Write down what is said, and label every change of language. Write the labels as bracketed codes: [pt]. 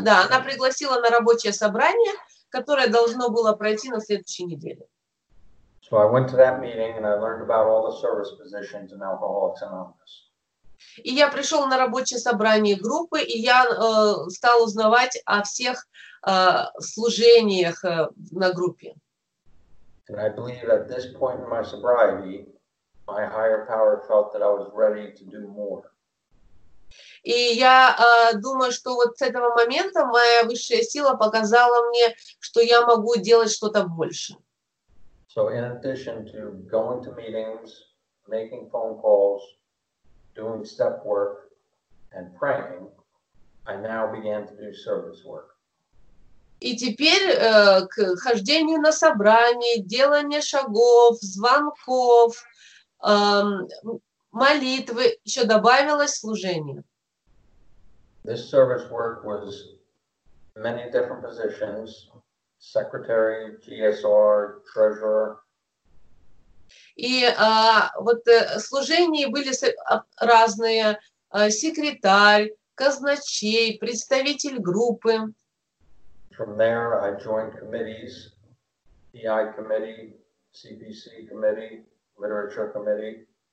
[ru] Да, она пригласила на рабочее собрание, которое должно было пройти на следующей неделе. [en] So I went to that meeting and I learned about all the service positions in Alcoholics Anonymous. [ru] И я пришел на рабочее собрание группы, и я стал узнавать о всех служениях на группе. [en] And I believe at this point in my sobriety, my higher power felt that I was ready to do more. [ru] И я думаю, что вот с этого момента моя высшая сила показала мне, что я могу делать что-то больше. [en] So in addition to going to meetings, making phone calls, doing step work and praying, I now began to do service work. [ru] И теперь к хождению на собрание, делание шагов, звонков, молитвы еще добавилось служение. [en] This service work was many different positions: secretary, GSR, treasurer. [ru] И вот служения были разные: секретарь, казначей, представитель группы. [en] From there, I joined committees: PI committee, CPC committee, literature committee.